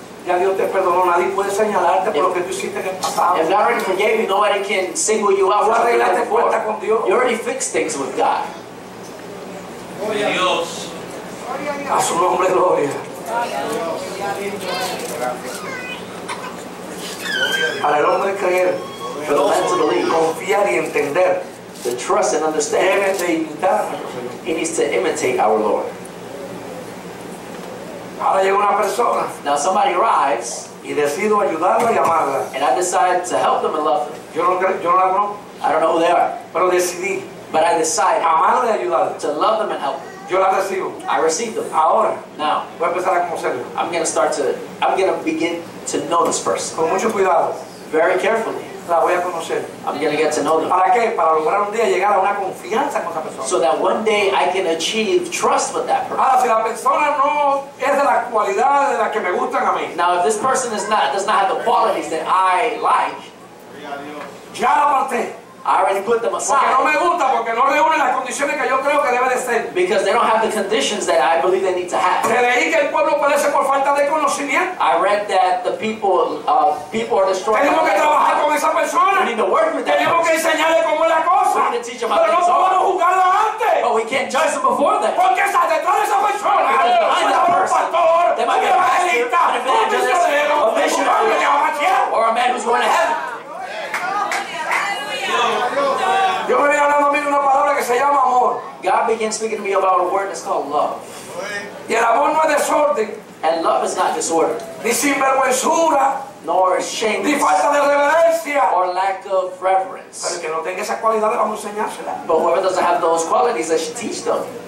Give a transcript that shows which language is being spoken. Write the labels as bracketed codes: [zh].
[es] ya Dios te perdonó, nadie puede señalarte por lo que tú hiciste en el pasado. [en] If God already forgave you, nobody can single you out. [es] Tú arreglaste cuenta con Dios. [en] You already fixed things with God. [es] Dios. A su nombre gloria. Para el hombre creer, [en] for the man to believe, [es] confiar y entender, [en] to trust and understand, [es] debe de imitar a nuestro Señor. [en] He needs to imitate our Lord. [es] Ahora llega una persona. [en] Now somebody arrives. [es] Y decido ayudarla y amarla. [en] And I decide to help them and love them. [es] Yo no la conozco. [en] I don't know who they are. [es] Pero decidí. [en] But I decide. [es] Amarla y ayudarla. [en] To love them and help them. [es] Yo la recibo. [en] I receive them. [es] Ahora. [en] Now. [es] Voy a empezar a conocerlo. [en] I'm gonna begin to know this person. [es] Con mucho cuidado. [en] Very carefully. [es] La voy a conocer. [en] I'm gonna get to know them. [es] ¿Para qué? Para lograr un día llegar a una confianza con esa persona. [en] So that one day I can achieve trust with that person. [es] Ahora, si la persona no es de la cualidad de la que me gustan a mí. [en] Now if this person does not have the qualities that I like, [es] ya la aparté. [en] I already put them aside. [es] Porque no me gusta, porque no reúnen las condiciones que yo creo que debe de ser. [en] Because they don't have the conditions that I believe they need to have. [es] Te leí que el pueblo perece por falta de conocimiento. [en] I read that the people are destroyed. [es] Tenemos que trabajar con esa persona. [en] We need to work with that. [es] Tenemos que enseñarle cómo es la cosa. [en] We need to teach them how things are. [es] Pero no podemos juzgarlo a [en] can't judge them before that. [es] Porque está detrás de esa persona. [en] Behind that person. They might be a pastor, an evangelist, a missionary, or a man who's going to heaven. [es] Yo me venía hablando a mí de una palabra que se llama amor. [en] God began speaking to me about a word that's called love. [es] Y el amor no es desorden. [en] And love is not disorder. [es] Ni sinvergüenzura. [en] Nor shame. [es] Ni falta de reverencia. [en] Or lack of reverence. [es] Pero que no tenga esas cualidades, vamos a enseñársela. [en] But whoever doesn't have those qualities, I should teach them.